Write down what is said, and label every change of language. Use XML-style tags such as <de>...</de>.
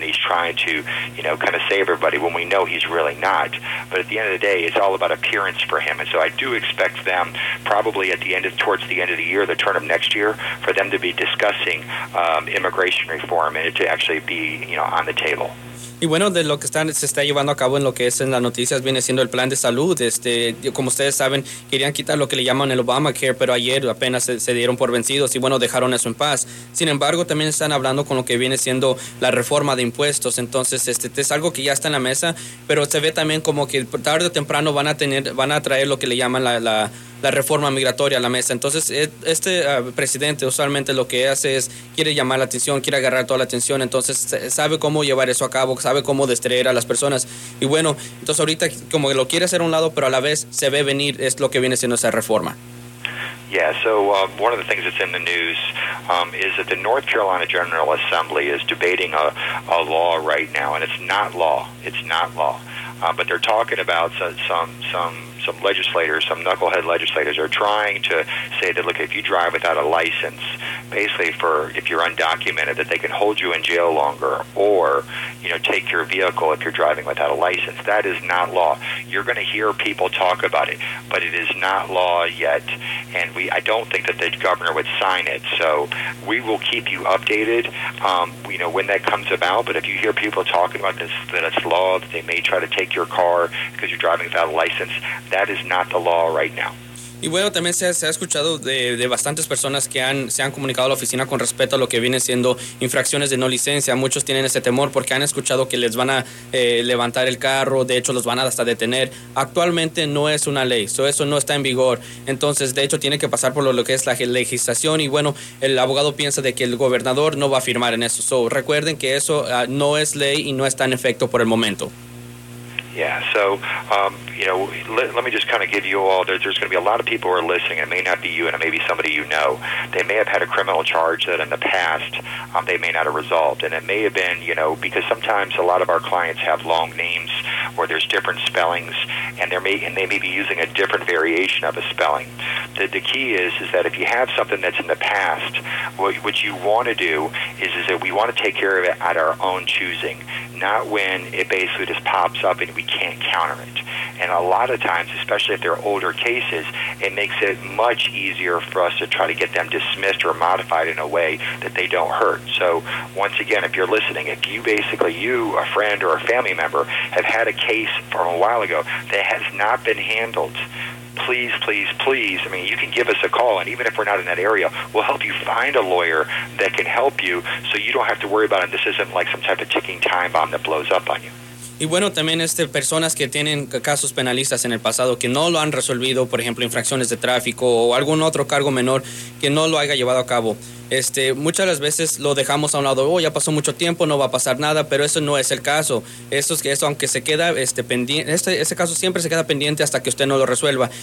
<en>And he's trying to, you know, kind of save everybody when we know he's really not. But at the end of the day, it's all about appearance for him. And so I do expect them probably towards the end of the year, the turn of next year, for them to be discussing immigration reform and it to actually be, you know, on the table.</en> <es>Y bueno, de lo que se está llevando a cabo en lo que es en las noticias viene siendo el plan de salud. Como ustedes saben, querían quitar lo que le llaman el Obamacare, pero ayer apenas se dieron por vencidos y bueno, dejaron eso en paz. Sin embargo, también están hablando con lo que viene siendo la reforma de impuestos. Entonces, es algo que ya está en la mesa, pero se ve también como que tarde o temprano van a traer lo que le llaman la reforma migratoria a la mesa. Entonces, presidente usualmente lo que hace es quiere llamar la atención, quiere agarrar toda la atención. Entonces, sabe cómo llevar eso a cabo, sabe cómo distraer a las personas. Y bueno, entonces ahorita como que lo quiere hacer a un lado, pero a la vez se ve venir, es lo que viene siendo esa reforma.</es> <en>Yeah, so one of the things that's in the news is that the North Carolina General Assembly is debating a law right now, and it's not law. But they're talking about some legislators, some knucklehead legislators are trying to say that, look, if you drive without a license, basically for if you're undocumented, that they can hold you in jail longer or, you know, take your vehicle if you're driving without a license. That is not law. You're going to hear people talk about it, but it is not law yet. And I don't think that the governor would sign it. So we will keep you updated, you know, when that comes about. But if you hear people talking about this, that it's law, that they may try to take your car because you're driving without a license, that is not the law right now.</en> <es>Y bueno, también se ha escuchado de bastantes personas que se han comunicado a la oficina con respecto a lo que viene siendo infracciones de no licencia. Muchos tienen ese temor porque han escuchado que les van a levantar el carro, de hecho los van a hasta detener. Actualmente no es una ley, eso no está en vigor. Entonces, de hecho, tiene que pasar por lo que es la legislación. Y bueno, el abogado piensa de que el gobernador no va a firmar en eso. So, recuerden que eso no es ley y no está en efecto por el momento.</es> <en>Yeah, so, you know, let me just kind of give you all, there's going to be a lot of people who are listening. It may not be you, and it may be somebody you know. They may have had a criminal charge that in the past they may not have resolved. And it may have been, you know, because sometimes a lot of our clients have long names or there's different spellings, and they may be using a different variation of a spelling. The key is that if you have something that's in the past, what you want to do is that we want to take care of it at our own choosing, not when it basically just pops up and we can't counter it. And a lot of times, especially if they're older cases, it makes it much easier for us to try to get them dismissed or modified in a way that they don't hurt. So once again, if you're listening, if you basically, you, a friend or a family member, have had a case from a while ago that has not been handled, please, please, please, I mean, you can give us a call, and even if we're not in that area, we'll help you find a lawyer that can help you so you don't have to worry about it. This isn't like some type of ticking time bomb that blows up on you.</en> <es>Y bueno, también personas que tienen casos penalistas en el pasado que no lo han resolvido, por ejemplo, infracciones de tráfico o algún otro cargo menor que no lo haya llevado a cabo. Muchas de las veces lo dejamos a un lado, ya pasó mucho tiempo, no va a pasar nada, pero eso no es el caso. Eso aunque se queda pendiente, ese caso siempre se queda pendiente hasta que usted no lo resuelva.</es>